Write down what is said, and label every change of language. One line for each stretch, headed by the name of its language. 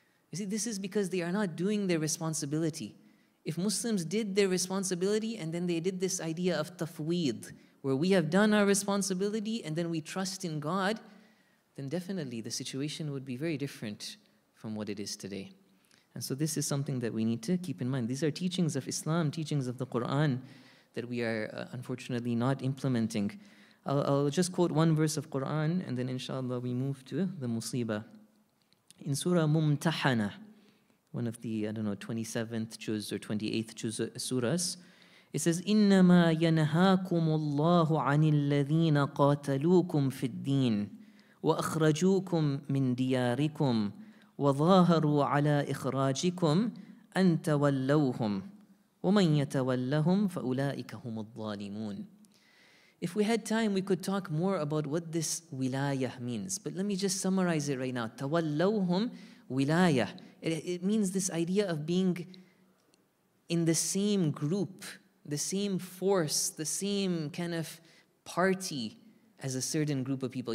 English: You see, this is because they are not doing their responsibility. If Muslims did their responsibility and then they did this idea of tafweed, where we have done our responsibility and then we trust in God, then definitely the situation would be very different from what it is today. And so this is something that we need to keep in mind. These are teachings of Islam, teachings of the Quran that we are unfortunately not implementing. I'll just quote one verse of Quran and then inshallah we move to the musibah. In Surah Mumtahana, one of the, 27th juz or 28th juz surahs, it says,
Arabic: إِنَّمَا يَنْهَاكُمُ اللَّهُ عَنِ الَّذِينَ قَاتَلُوكُمْ فِي الدِّينِ وَأَخْرَجُوكُمْ مِنْ دِيَارِكُمْ وَظَاهَرُوا عَلَىٰ إِخْرَاجِكُمْ أَنْ تَوَلَّوْهُمْ وَمَنْ يَتَوَلَّهُمْ فَأُولَٰئِكَ هُمُ الظَّالِمُونَ.
English: If we had time, we could talk more about what this wilayah means. But let me just summarize it right now. Tawallawhum wilayah. It means this idea of being in the same group, the same force, the same kind of party as a certain group of people.